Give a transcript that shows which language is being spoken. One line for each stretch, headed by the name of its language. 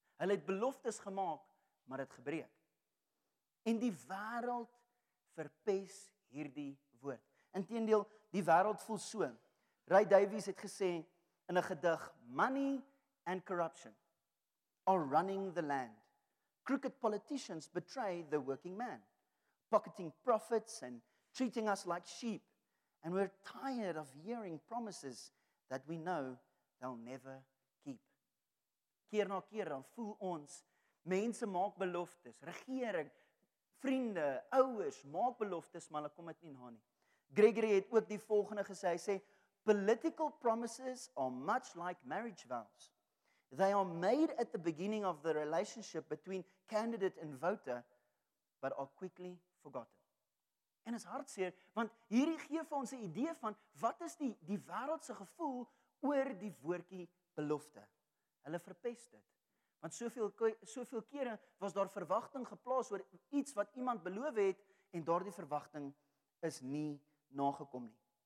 Afrikaans: Hulle het beloftes gemaak, maar het gebreek. En die wêreld verpes hierdie woord. Inteendeel, die wêreld voel so.
English: Ray Davies
Afrikaans: het gesê in 'n gedig,
English: "Money and corruption are running the land. Crooked politicians betray the working man, pocketing profits and treating us like sheep, and we're tired of hearing promises that we know they'll never keep."
Afrikaans: Keer na keer dan voel ons, mense maak beloftes, regering, vriende, ouers maak beloftes, maar hulle kom dit nie na nie.
English: Gregory
Afrikaans: het ook die volgende gesê, hy sê,
English: "Political promises are much like marriage vows. They are made at the beginning of the relationship between candidate and voter, but are quickly forgotten."
Afrikaans: En is hartseer, want hierdie gee vir ons 'n idee van wat is die wêreldse gevoel oor die woordjie belofte. Hulle verpes dit. Want soveel kere was daar verwagting geplaas oor iets wat iemand beloof het en daardie verwagting is nie nagekom nie.